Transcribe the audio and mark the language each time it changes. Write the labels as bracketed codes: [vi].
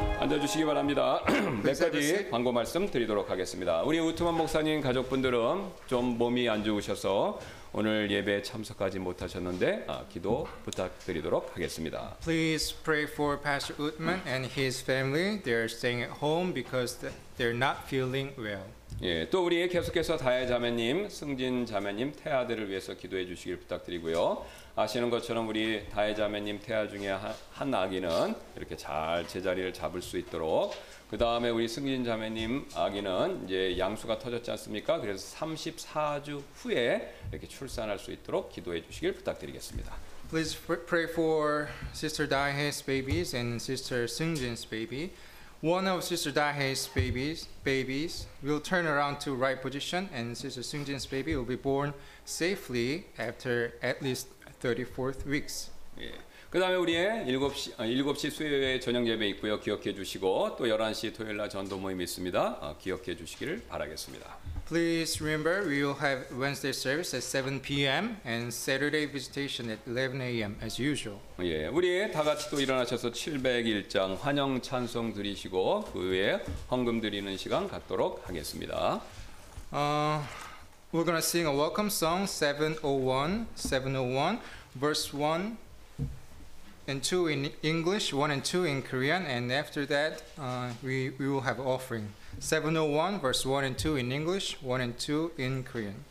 [ko] 까지 광고 말씀 드리도록 하겠습니다. 우리 우트만 목사님 가족분들은 좀 몸이 안 좋으셔서 오늘 예배 참석하지 못하셨는데 기도 부탁드리도록 하겠습니다. [en] Please pray for Pastor Utman and his family. They're staying at home because they're not feeling well. [ko] 예, 또 우리 계속해서 다혜 자매님, 승진 자매님, 태아들을 위해서 기도해 주시길 부탁드리고요. 아시는 것처럼 우리 다혜 자매님 태아 중에 한 아기는 이렇게 잘 제자리를 잡을 수 있도록 그 다음에 우리 승진 자매님 아기는 이제 양수가 터졌지 않습니까? 그래서 34주 후에 이렇게 출산할 수 있도록 기도해 주시길 부탁드리겠습니다. [en] Please pray for Sister Dahae's babies and Sister Seungjin's baby. One of Sister Dahae's babies will turn around to right position and Sister Seungjin's baby will be born safely after at least 34th weeks. [ko] 그 다음에 우리의 7시 수요일에 저녁 예배 있고요. 기억해 주시고 또 11시 토요일 날 전도 모임 있습니다. 기억해 주시기를 바라겠습니다. [en] Please remember we will have Wednesday service at 7 p.m. and Saturday visitation at 11 a.m. as usual. [ko] 예, 우리 다 같이 또 일어나셔서 701장 환영 찬송 드리시고 그 외에 헌금 드리는 시간 갖도록 하겠습니다. [en] We're going to sing a welcome song 701 verse 1 and 2 in English, 1 and 2 in Korean, and after that we will have offering. 701 verse 1 and 2 in English, 1 and 2 in Korean.